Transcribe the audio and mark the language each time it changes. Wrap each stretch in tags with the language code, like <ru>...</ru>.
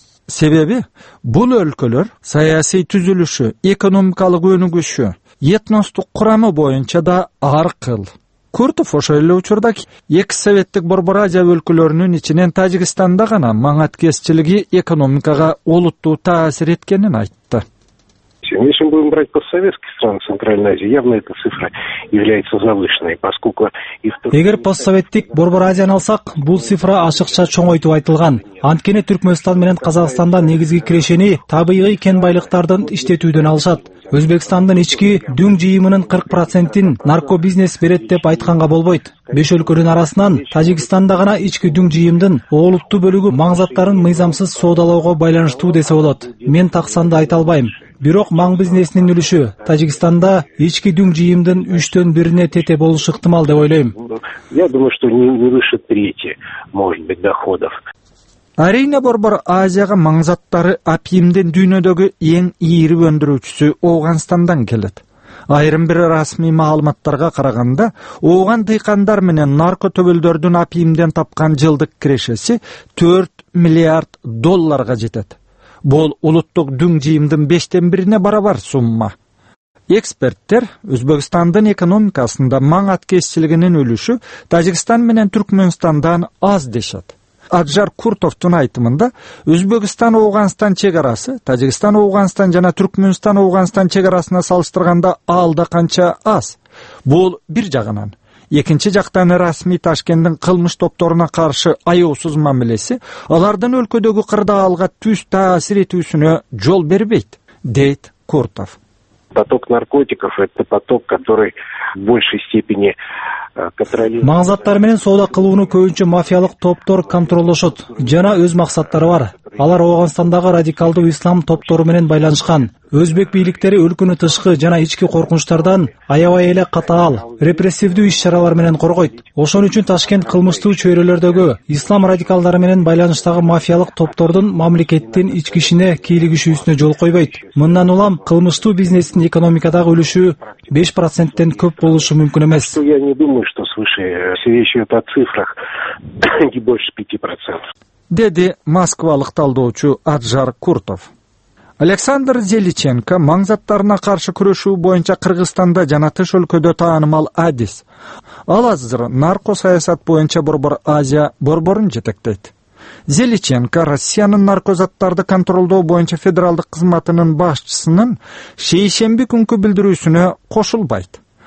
<ky>Себеби бул өлкөлөр саясий түзүлүшү, экономикалык өнүгүшү, этностук курамы боюнча да ар кыл. Куртов ошол эле учурда эки советтик Борбор Азия өлкөлөрүнүн ичинен Тажикстанда гана маң аткезчилиги экономикага олуттуу таасир эткенин айтты.</ky> <ru>Если мы будем брать постсоветские страны Центральной Азии, явно эта цифра является завышенной, поскольку</ru> <ky>Эгер постсоветтик Борбор Азияны алсак, бул цифра ашыкча чоңойтуп айтылган. Анткени Түркмөнстан менен Казакстанда негизги кирешени табигый кен байлыктардан иштетүүдөн алышат. Өзбекстандын ички дүн жыйымынын 40%ын наркобизнес берет деп айтканга болбойт. Беш өлкөнүн арасынан Тажикстанда гана ички дүн жыйымдын олуттуу бөлүгү маңзаттарын мыйзамсыз соодалоого байланыштуу десе болот. Мен таксанды айта албайм. Бирок маң бизнесинин үлүшү Тажикстанда ички дүн жыйымдын 1/3 тете болушу ыктымал деп ойлойм.</ky> <ru>Я думаю, что не выше трети, может быть, доходов.</ru> <ky>Арийне Борбор Азияга маңзаттары апиимдин дүйнөдөгү эң ийри өндүрүүчүсү Ооганстандан келет. Айрым бир расмий маалыматтарга караганда, ооган дыйкандар менен наркотөбөлдөрдүн апиимден тапкан жылдык кирешеси 4 миллиард долларга жетет. Бул улуттук дүн жыйымдын 1/5 барабар сумма. Эксперттер Өзбекстандын экономикасында маң аткезчилигинин үлүшү Тажикстан менен Түркмөнстандан аз дешет. Аджар Куртовтун айтымында Өзбекстан Ооганстан чек арасы Тажикстан Ооганстан жана Түркмөнстан Ооганстан чек арасына салыштырганда алда канча аз. Бул бир жагынан. Экинчи жактан расмий Ташкенттин кылмыш топторуна каршы аяусуз мамилеси алардын өлкөдөгү кырдаалга түз таасир этүүсүнө жол бербейт, дейт Куртов.</ky> <ru>Поток наркотиков это поток, который в большей степени</ru> <ky>Маңзаттар менен соода кылууну көбүнчө мафиялык топтор контролдошот жана өз максаттары бар. Алар Ооганстандагы радикалдуу ислам топтору менен байланышкан. Өзбек бийликтери өлкөнү тышкы жана ички коркунучтардан аябай эле катаал, репрессивдүү иш-чаралар менен коргойт. Ошон үчүн Ташкент кылмыштуу чөйрөлөрдөгү ислам радикалдары менен байланыштагы мафиялык топтордун мамлекеттин ички ишине кийлигишүүсүнө жол койбойт. Мындан улам кылмыштуу бизнестин экономикадагы үлүшү 5%ден көп болушу мүмкүн эмес.</ky> <ru>Думаю, что свыше, если речь идет о цифрах, не больше 5%.</ru> <ky>Деди москвалык талдоочу Аджар Куртов. Александр Зеличенко маңзаттарына каршы күрөшүү боюнча Кыргызстанда жана тыш өлкөдө таанымал адис. Ал азыр нарко саясат боюнча Борбор Азия борборун жетектейт. Зеличенко Россиянын наркозаттарды контролдоо боюнча федералдык кызматынын башчысынын шейшемби күнкү билдирүүсүнө кошулбайт.</ky>